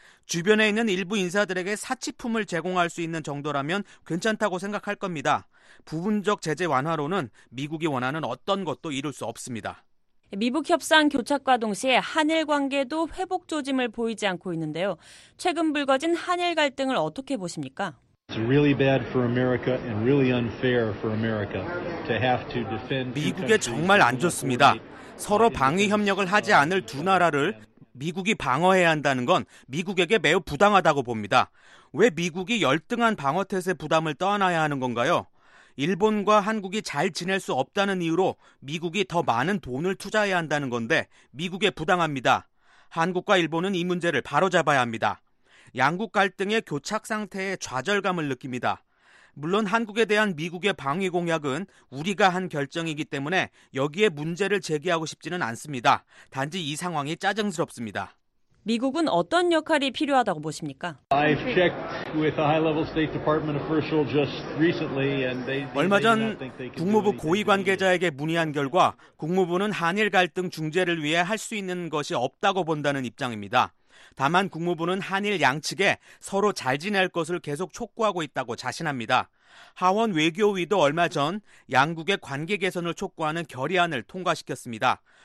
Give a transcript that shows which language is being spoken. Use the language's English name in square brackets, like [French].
[Korean] 주변에 있는 일부 인사들에게 사치품을 제공할 수 있는 정도라면 괜찮다고 생각할 겁니다. 부분적 제재 완화로는 미국이 원하는 어떤 것도 이룰 수 없습니다. 미북 협상 교착과 동시에 한일 관계도 회복 조짐을 보이지 않고 있는데요. 최근 불거진 한일 갈등을 어떻게 보십니까? [English] It's really bad for America and really unfair for America to have to defend. [Korean] 미국에 정말 안 좋습니다. 서로 방위 협력을 하지 않을 두 나라를 미국이 방어해야 한다는 건 미국에게 매우 부당하다고 봅니다. 왜 미국이 열등한 방어 태세 부담을 떠안아야 하는 건가요? 일본과 한국이 잘 지낼 수 없다는 이유로 미국이 더 많은 돈을 투자해야 한다는 건데 미국에 부당합니다. 한국과 일본은 이 문제를 바로잡아야 합니다. 양국 갈등의 교착 상태에 좌절감을 느낍니다. 물론 한국에 대한 미국의 방위 공약은 우리가 한 결정이기 때문에 여기에 문제를 제기하고 싶지는 않습니다. 단지 이 상황이 짜증스럽습니다. 미국은 어떤 역할이 필요하다고 보십니까? [English] I've checked with a high-level State Department official just recently and they [Korean] 얼마 전 국무부 고위 관계자에게 문의한 결과 국무부는 한일 갈등 중재를 위해 할 수 있는 것이 없다고 본다는 입장입니다. 다만 국무부는 한일 양측에 서로 잘 지낼 것을 계속 촉구하고 있다고 자신합니다. 하원 외교위도 얼마 전 양국의 관계 개선을 촉구하는 결의안을 통과시켰습니다.